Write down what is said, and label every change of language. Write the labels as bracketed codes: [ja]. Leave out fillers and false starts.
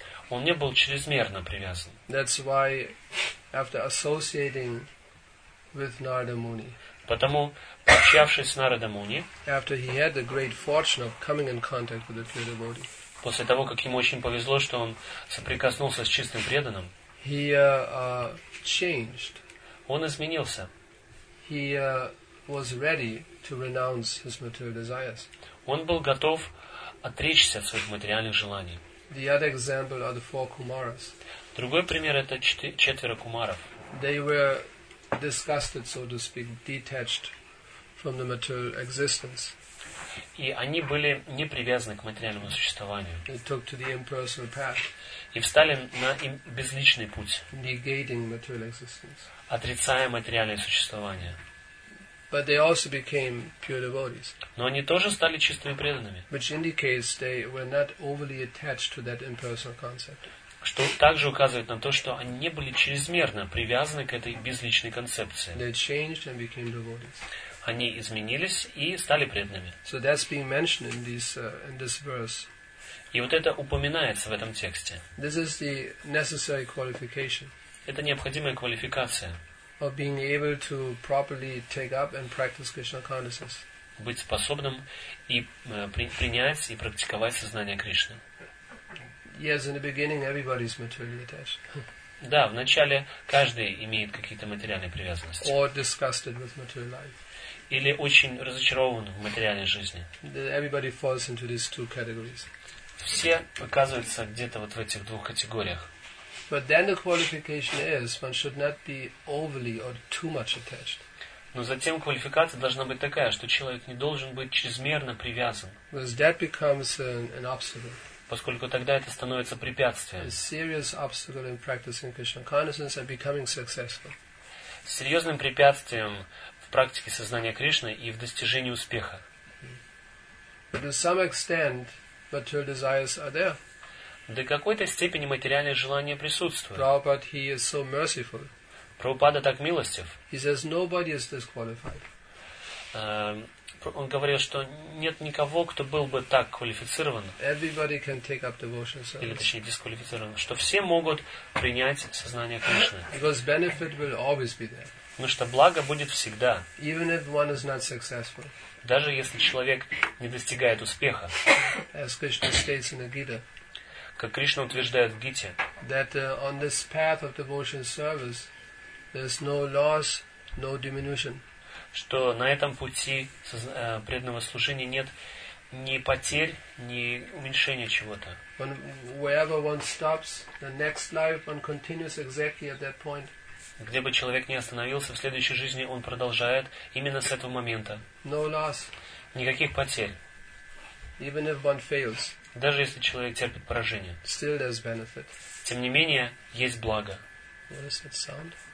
[ru] Он не был чрезмерно привязан. [en] That's why, after associating with Narada Muni, [ru] потому, пообщавшись с Нарада Муни, [en] after he had the great fortune of coming in contact with the pure devotee, [ru] после того, как ему очень повезло, что он соприкоснулся с чистым преданным, [en] he changed. [ru] Он изменился. [en] He was ready to renounce his material desires. [ru] Он был готов отречься от своих материальных желаний. [en] The other example are the four Kumaras. [ru] Другой пример — это четверо Кумаров. [en] They were disgusted, so to speak, detached from the material existence. [ru] И они были не привязаны к материальному существованию. [en] They took to the impersonal path. [ru] И встали на безличный путь. [en] Negating material existence. [ru] Отрицая материальное существование. [en] But they also became pure devotees. [ru] Но они тоже стали чистыми преданными. [en] Which indicates they were not overly attached to that impersonal concept. [ru] Что также указывает на то, что они не были чрезмерно привязаны к этой безличной концепции. [en] They changed and became devotees. [ru] Они изменились и стали преданными. [en] So that's being mentioned in this in this verse. [ru] И вот это упоминается в этом тексте. [en] This is the necessary qualification. [ru] Это необходимая квалификация. [en] Of being able to properly take up and practice Krishna consciousness. [ru] Быть способным и принять и практиковать сознание Кришны. [en] Yes, in the beginning everybody is materially attached. [ru] Да, вначале каждый имеет какие-то материальные привязанности. [en] Or disgusted with material life. [ru] Или очень разочарован в материальной жизни. [en] Everybody falls into these two categories. [ru] Все оказываются где-то вот в этих двух категориях. [en] But then the qualification is one should not be overly or too much attached. [ru] Но затем квалификация должна быть такая, что человек не должен быть чрезмерно привязан. [en] Because that becomes an obstacle. [ru] Поскольку тогда это становится препятствием. [en] A serious obstacle in practicing Krishna consciousness and becoming successful. [ru] Серьезным препятствием в практике сознания Кришны и в достижении успеха. [en] But to some extent, material desires are there. [ru] До какой-то степени материальные желания присутствуют. [en] Prabhupada, he is so merciful. [ru] Прабхупада так милостив. [en] He says nobody is disqualified. [ru] Он говорил, что нет никого, кто был бы так квалифицирован. [en] Everybody can take up devotion service. [ru] Или точнее дисквалифицирован, что все могут принять сознание Кришны. [en] Because benefit will always be there. [ru] Потому что благо будет всегда. [en] Even if one is not successful. [ru] Даже если человек не достигает успеха. [en] As Krishna states in the Gita. [ru] Как Кришна утверждает в Гите. [en] That on this path of devotion service there's no loss, no diminution. [ru] Что на этом пути преданного служения нет ни потерь, ни уменьшения чего-то. [en] When, wherever one stops, the next life one continues exactly at that point. [ru] Где бы человек ни остановился, в следующей жизни он продолжает именно с этого момента. [en] No loss. [ru] Никаких потерь. [en] Even if one fails. [ru] Даже если человек терпит поражение. [en] Still there's benefit. [ru] Тем не менее, есть благо. [en] What is that sound?